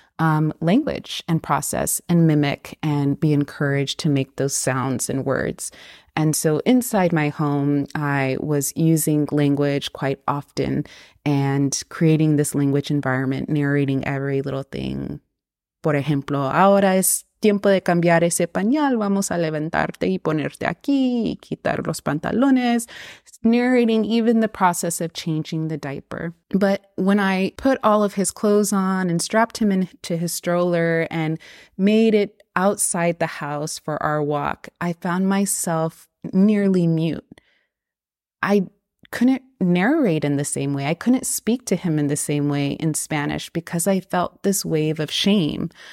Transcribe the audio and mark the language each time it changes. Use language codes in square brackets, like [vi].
[en] language and process and mimic and be encouraged to make those sounds and words. And so inside my home, I was using language quite often and creating this language environment, narrating every little thing. [es] Por ejemplo, ahora es tiempo de cambiar ese pañal. Vamos a levantarte y ponerte aquí y quitar los pantalones. [en] Narrating even the process of changing the diaper. But when I put all of his clothes on and strapped him into his stroller and made it outside the house for our walk, I found myself nearly mute. I couldn't narrate in the same way. I couldn't speak to him in the same way in Spanish because I felt this wave of shame.